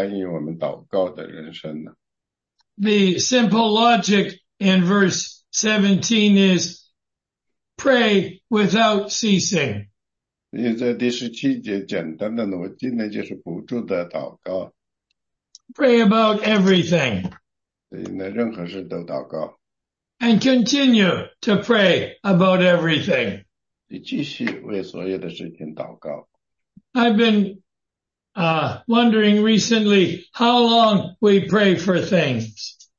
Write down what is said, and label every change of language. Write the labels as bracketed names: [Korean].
[Chinese] 从第16节一直到结尾，那我们就有一些非常有趣的，就是说怎样去关于我们祷告的人生呢？ [English] The simple logic in verse 17 is pray without ceasing. [Chinese] 因为在第17节简单的逻辑呢，就是不住的祷告。 [English] Pray about everything. [Chinese] 所以呢，任何事都祷告。 [English] And continue to pray about everything. [Chinese] 你继续为所有的事情祷告。 [English] I've been wondering recently how long we pray for things.